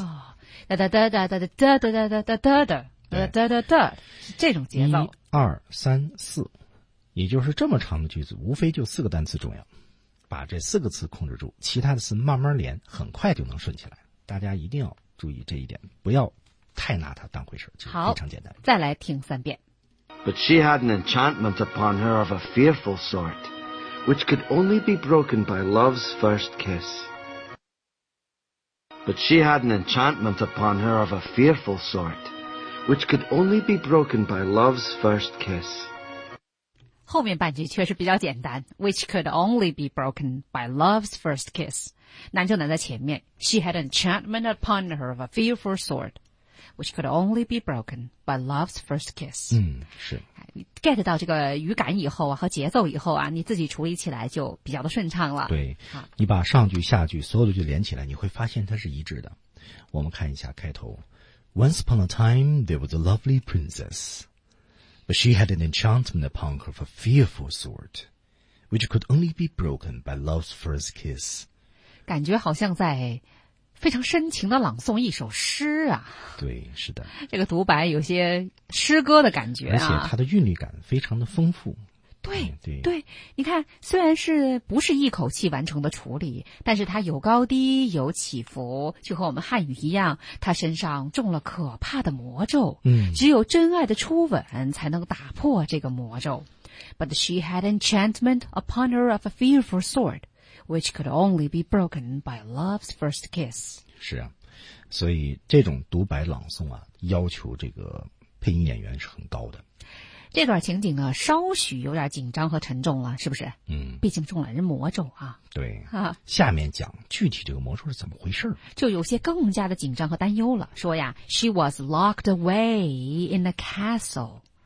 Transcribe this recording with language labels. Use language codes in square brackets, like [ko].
[zh] 哦，哒哒哒哒哒哒哒哒哒哒哒哒哒哒哒哒，这种节奏 1、2、3、4，也就是这么长的句子无非就四个单词重要，把这四个词控制住，其他的词慢慢连，很快就能顺起来。大家一定要注意这一点，不要太拿他当回事，就非常简单。再来听三遍。 [en] But she had an enchantment upon her of a fearful sort, which could only be broken by love's first kiss. But she had an enchantment upon her of a fearful sort, which could only be broken by love's first kiss. [zh] 后面半句确实比较简单 ， [en] which could only be broken by love's first kiss. [zh] 难就难在前面 ， [en] she had an enchantment upon her of a fearful sort. Which could only be broken by love's first kiss. [zh] 嗯，是。你 get 到这个语感以后啊，和节奏以后啊，你自己处理起来就比较的顺畅了。对，你把上句下句所有的句连起来，你会发现它是一致的。我们看一下开头 [en] ，Once upon a time there was a lovely princess, but she had an enchantment upon her of a fearful sort, which could only be broken by love's first kiss. [zh] 感觉好像在。非常深情的朗诵一首诗啊，对，是的，这个独白有些诗歌的感觉啊，而且它的韵律感非常的丰富，对、嗯、对对，你看虽然是不是一口气完成的处理，但是它有高低有起伏，就和我们汉语一样，它身上中了可怕的魔咒，嗯，只有真爱的初吻才能打破这个魔咒。 [en] But she had enchantment upon her of a fearful sword. Which could only be broken by love's first kiss. [zh] 是啊，所以这种独白朗诵啊，要求这个配音演员是很高的。这段情景呢，稍许有点紧张和沉重了，是不是？嗯，毕竟中了人魔咒啊。对啊，下面讲具体这个魔咒是怎么回事，就有些更加的紧张和担忧了。说呀 ， [en] She was locked away in a castle.